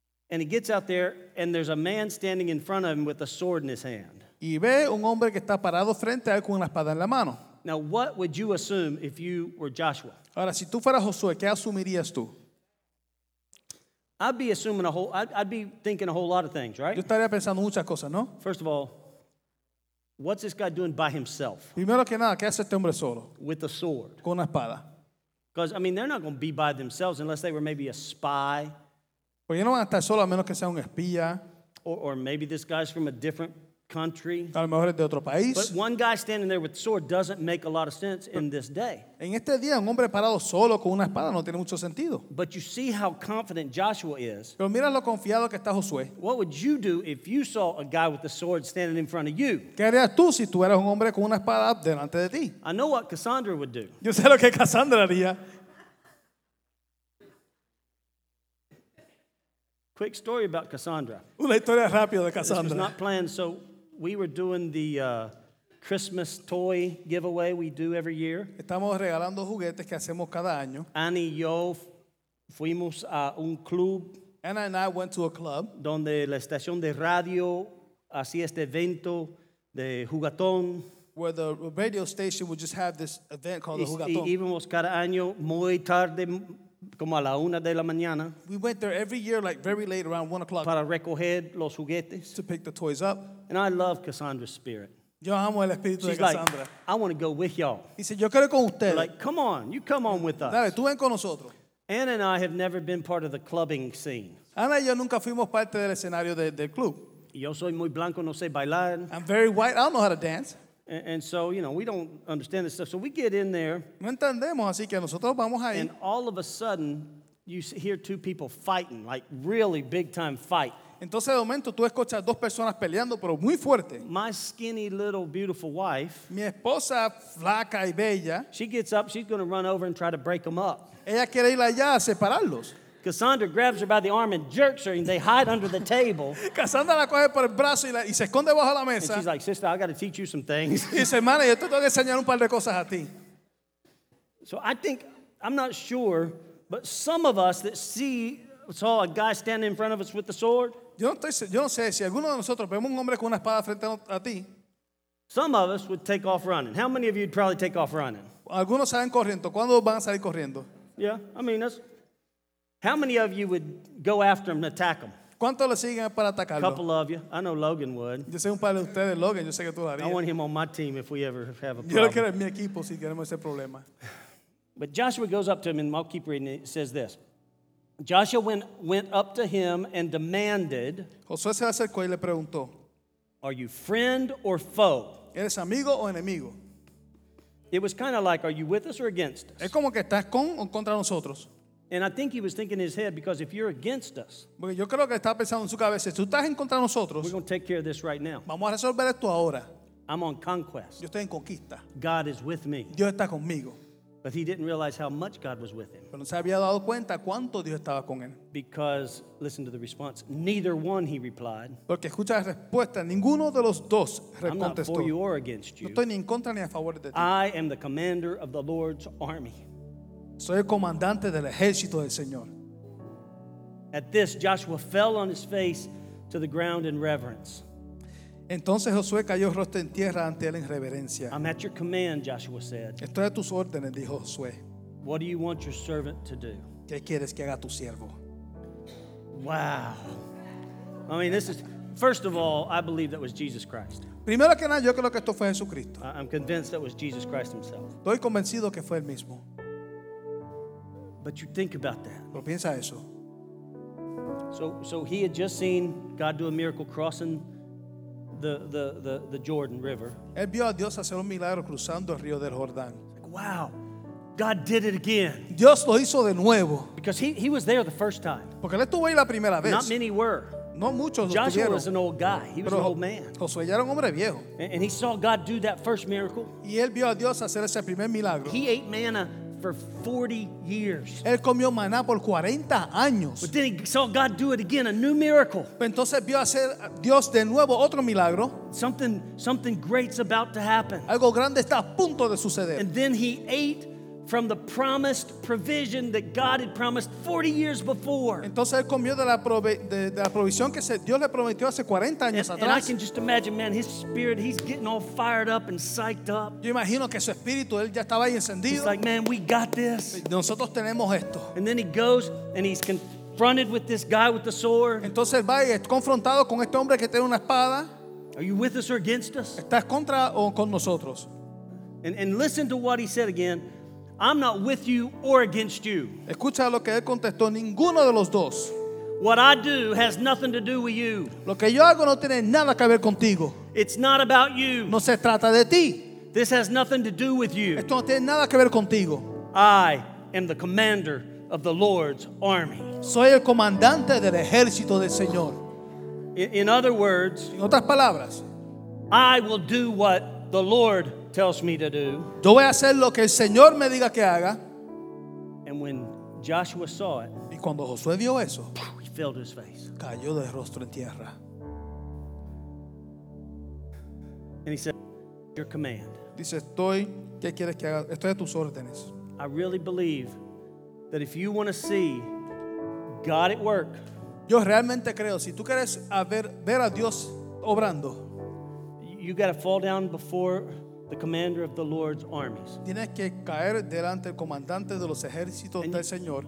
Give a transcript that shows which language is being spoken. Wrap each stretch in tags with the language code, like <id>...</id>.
<en>And he gets out there, and there's a man standing in front of him with a sword in his hand.</en> <es>Y ve un hombre que está parado frente a él con una espada en la mano.</es> <en>Now, what would you assume if you were Joshua?</en> <es>Ahora, si tú fueras Josué, ¿qué asumirías tú?</es> <en>I'd be assuming a whole. I'd be thinking a whole lot of things, right?</en> <es>Yo estaría pensando muchas cosas, ¿no?</es> <en>First of all, what's this guy doing by himself?</en> <es>Primero que nada, ¿qué hace este hombre solo?</es> <en>With a sword.</en> <es>Con una espada.</es> <en>Because I mean, they're not going to be by themselves unless they were maybe a spy.</en> <es>Porque no van a estar solos a menos que sea un espía.</es> <en>Or maybe this guy's from a different country.</en> <es>A lo mejor es de otro país.</es> <en>But one guy standing there with a sword doesn't make a lot of sense in this day.</en> <es>En este día, un hombre parado solo con una espada no tiene mucho sentido.</es> <en>But you see how confident Joshua is.</en> <es>Pero mira lo confiado que está Josué.</es> <en>What would you do if you saw a guy with a sword standing in front of you?</en> <es>¿Qué harías tú si tú eras un hombre con una espada delante de ti?</es> <en>I know what Cassandra would do.</en> <es>Yo sé lo que Cassandra haría.</es> <en>Quick story about Cassandra.</en> <es>Una historia rápida de Cassandra.</es> <en>This was not planned, so we were doing the Christmas toy giveaway we do every year.</en> <es>Estamos regalando juguetes que hacemos cada año. Ana y yo fuimos a un club.</es> <en>Anna and I went to a club.</en> <es>Donde la estación de radio hacía este evento de jugatón.</es> <en>Where the radio station would just have this event called the jugatón.</en> <es>Y íbamos cada año muy tarde. Como a la una de la mañana.</es> <en>We went there every year, like very late, around 1 o'clock.</en> <es>Para recoger los juguetes.</es> <en>To pick the toys up. And I love Cassandra's spirit.</en> <es>Yo amo el espíritu</es> <en>She's</en> <es>de Cassandra.</es> <en>Like, I want to go with y'all. He said,</en> <es>yo quiero con ustedes.</es> <en>They're like, come on, you come on with us.</en> <es>Dale, tú ven con nosotros.</es> <en>Anna and I have never been part of the clubbing scene.</en> <es>Anna y yo nunca fuimos parte del escenario del club. Yo soy muy blanco, no sé bailar.</es> <en>I'm very white, I don't know how to dance. And so, you know, we don't understand this stuff. So we get in there.</en> <es>No entendemos, así que nosotros vamos ahí.</es> <en>And all of a sudden, you hear two people fighting, like really big time fight.</en> <es>Entonces, de momento, tú escuchas dos personas peleando, pero muy fuerte.</es> <en>My skinny little beautiful wife.</en> <es>Mi esposa flaca y bella.</es> <en>She gets up. She's going to run over and try to break them up.</en> <es>Ella quiere ir allá a separarlos.</es> <en>Cassandra grabs her by the arm and jerks her, and they hide under the table.</en> <es>Cassandra la coge por el brazo y se esconde bajo la mesa.</es> <en>And she's like, "Sister, I got to teach you some things."</en> <es>Y dice, "Mana, yo te tengo que enseñar un par de cosas a ti."</es> <en>So I think I'm not sure, but some of us that saw a guy standing in front of us with the sword.</en> <es>Yo no sé si alguno de nosotros vemos un hombre con una espada frente a ti.</es> <en>Some of us would take off running. How many of you would probably take off running?</en> <es>Algunos salen corriendo. ¿Cuándo van a salir corriendo?</es> <en>Yeah, I mean that's. How many of you would go after him and attack him?</en> <es>¿Cuánto le siguen para atacarlo?</es> <en>Couple of you. I know Logan would.</en> <es>Yo sé un par de ustedes, Logan. Yo sé que tú lo harías.</es> <en>I want him on my team if we ever have a problem.</en> <es>Yo lo quiero en mi equipo si queremos ese problema.</es> <en>But Joshua goes up to him, and I'll keep reading it. It says this. Joshua went up to him and demanded,</en> <es>Josué se acercó y le preguntó,</es> <en>are you friend or foe?</en> <es>¿Eres amigo o enemigo?</es> <en>It was kind of like, are you with us or against us?</en> <es>Es como que estás con o contra nosotros.</es> <en>And I think he was thinking in his head, because if you're against us,</en> <es>yo creo que estaba pensando en su cabeza, tú estás en contra de nosotros,</es> <en>we're going to take care of this right now.</en> <es>Vamos a resolver esto ahora.</es> <en>I'm on conquest.</en> <es>Yo estoy en conquista.</es> <en>God is with me.</en> <es>Dios está conmigo.</es> <en>But he didn't realize how much God was with him.</en> <es>Pero no se había dado cuenta cuánto Dios estaba con él.</es> <en>Because, listen to the response, neither one, he replied.</en> <es>Porque escucha la respuesta, ninguno de los dos recontestó.</es> <en>I'm not for you or against you.</en> <es>No estoy ni en contra ni a favor de ti.</es> <en>I am the commander of the Lord's army.</en> <es>Soy el comandante del ejército del Señor.</es> <en>At this, Joshua fell on his face to the ground in reverence.</en> <es>Entonces Josué cayó rostro en tierra ante él en reverencia.</es> <en>I'm at your command, Joshua said.</en> <es>Estoy a tus órdenes, dijo Josué.</es> <en>What do you want your servant to do?</en> <es>¿Qué quieres que haga tu siervo?</es> <en>Wow. I mean, this is, first of all, I believe that was Jesus Christ.</en> <es>Primero que nada, yo creo que esto fue Jesucristo.</es> <en>I'm convinced that was Jesus Christ himself.</en> <es>Estoy convencido que fue el mismo.</es> <en>But you think about that.</en> <es>Pero piensa eso.</es> <en>So he had just seen God do a miracle crossing the Jordan River.</en> <es>Él vio a Dios hacer un milagro cruzando el río del Jordán.</es> <en>Like, wow, God did it again.</en> <es>Dios lo hizo de nuevo.</es> <en>Because he was there the first time.</en> <es>Porque él estuvo ahí la primera vez.</es> <en>Not many were.</en> <es>No muchos</es> <en>Joshua</en> <es>lo tuvieron.</es> <en>Was an old guy. He was</en> <es>Pero</es> <en>an old man.</en> <es>Josué ya era un hombre viejo.</es> <en>And he saw God do that first miracle.</en> <es>Y él vio a Dios hacer ese primer milagro.</es> <en>He ate manna for 40 years.</en> <es>Él comió maná por 40 años.</es> <en>But then he saw God do it again, a new miracle.</en> <es>Entonces vio hacer Dios de nuevo otro milagro.</es> <en>Something great's about to happen.</en> <es>Algo grande está a punto de suceder.</es> <en>And then he ate from the promised provision that God had promised 40 years before.</en> <es>Entonces él comió de la provisión que Dios le prometió hace 40 años atrás.</es> <en>And I can just imagine, man, his spirit, he's getting all fired up and psyched up.</en> <es>Yo imagino que su espíritu, él ya estaba ahí encendido.</es> <en>He's like, man, we got this.</en> <es>Nosotros tenemos esto.</es> <en>And then he goes and he's confronted with this guy with the sword.</en> <es>Entonces va y es confrontado con este hombre que tiene una espada.</es> <en>Are you with us or against us?</en> <es>¿Estás contra o con nosotros?</es> <en>And listen to what he said again. I'm not with you or against you.</en> <es>Escucha lo que él contestó, ninguno de los dos.</es> <en>What I do has nothing to do with you.</en> <es>Lo que yo hago no tiene nada que ver contigo.</es> <en>It's not about you.</en> <es>No se trata de ti.</es> <en>This has nothing to do with you.</en> <es>Esto no tiene nada que ver contigo.</es> <en>I am the commander of the Lord's army.</en> <es>Soy el comandante del ejército del Señor.</es> <en>In other words,</en> <es>en otras palabras,</es> <en>I will do what the Lord tells me to do.</en> <es>Yo voy a hacer lo que el Señor me diga que haga.</es> <en>And when Joshua saw it,</en> <es>y cuando Josué vio eso,</es> <en>he fell to his face.</en> <es>Cayó de rostro en tierra.</es> <en>And he said, "Your command."</en> <es>Dice, "Estoy, ¿qué quieres que haga? Estoy a tus órdenes."</es> <en>I really believe that if you want to see God at work,</en> <es>yo realmente creo, si tú quieres ver a Dios obrando,</es> <en>you got to fall down before the commander of the Lord's armies.</en> <es>Tienes que caer delante del comandante de los ejércitos del Señor.</es>